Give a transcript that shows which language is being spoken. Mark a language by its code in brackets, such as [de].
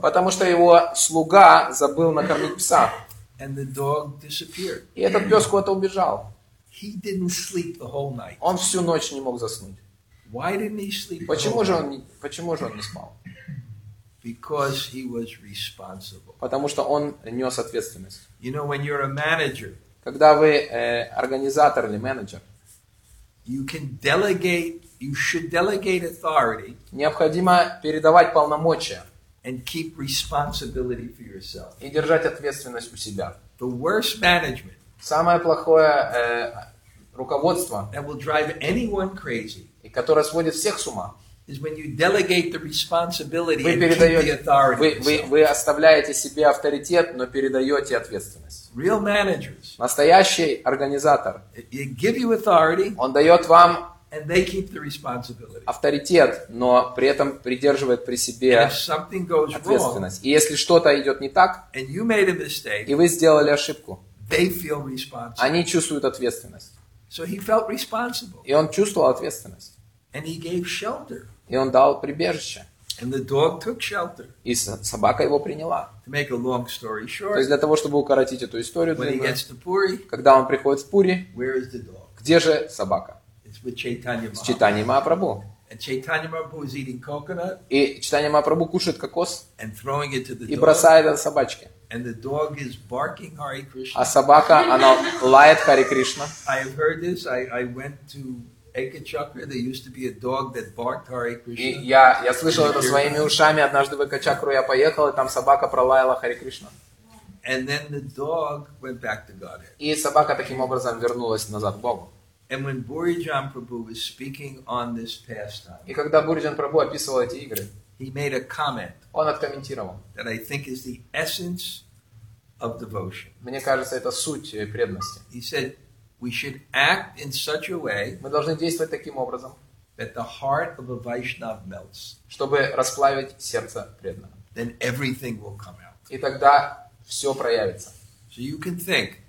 [ru] Потому что его слуга забыл накормить пса. [en] And the dog disappeared. [ru] И этот пес куда-то убежал. [en] He didn't sleep the whole night. [ru] Он всю ночь не мог заснуть. [en] Why didn't he sleep? [ru] Почему же он не спал? [en] Because he was responsible. [ru] Потому что он нес ответственность. [en] You know, when you're a manager. [ru] Когда вы организатор или менеджер. [en] You can delegate, you should delegate authority. [ru] Необходимо передавать полномочия. [en] And keep responsibility for yourself. [ru] И держать ответственность у себя. [en] The worst management. [ru] Самое плохое руководство. [en] That will drive anyone crazy. [ru] И которое сводит всех с ума. [en] Is when you delegate the responsibility and keep the authority. [ru] Вы оставляете себе авторитет, но передаете ответственность. [en] Real managers. [ru] Настоящий организатор. [en] They give you authority. [ru] Он дает вам. [en] And they keep the responsibility. [ru] Авторитет, но при этом придерживает при себе ответственность. и если что-то идет не так. [en] And you made a mistake. [ru] И вы сделали ошибку. [en] They feel responsible. [ru] Они чувствуют ответственность. [en] So he felt responsible. [ru] И он чувствовал ответственность. [en] And he gave shelter. [ru] И он дал прибежище. [en] And the dog took shelter. [ru] И собака его приняла. [en] To make a long story short. [ru] То есть для того, чтобы укоротить эту историю. [en] When he gets to Puri. [ru] Когда он приходит в Пури. [en] Where is the dog? [ru] Где же собака? [en] It's with Chaitanya Mahaprabhu. [ru] С Чайтаньей Махапрабху. [en] And Chaitanya Mahaprabhu is eating coconut. [ru] И Чайтанья Махапрабху кушает кокос. [en] And throwing it to the dog. [ru] И бросает это собачке. [en] And the dog is barking Hare Krishna. [ru] А собака она лает Харе Кришна. [en] I have heard this. I went to Экачакра, there used to be a dog that barked Hare Krishna. [ru] Я слышал это своими ушами. Однажды в Экачакру я поехал, и там собака пролаяла Харе Кришна. [en] And then the dog went back to Godhead. [ru] И собака таким образом вернулась назад к Богу. [en] And when Burijan Prabhu was speaking on this pastime. [ru] И когда Бурджан Прабху описывал эти игры, [en] he made a comment. [ru] Он откомментировал. [en] That I think is the essence of devotion. [ru] Мне кажется, это суть преданности. [en] He said. We should act in such a way. [ru] Мы должны действовать таким образом, [en] that the heart of a Vaishnav melts. [ru] Чтобы расплавить сердце преданного. [en] Then everything will come out. [ru] И тогда все проявится. [en] So you can think.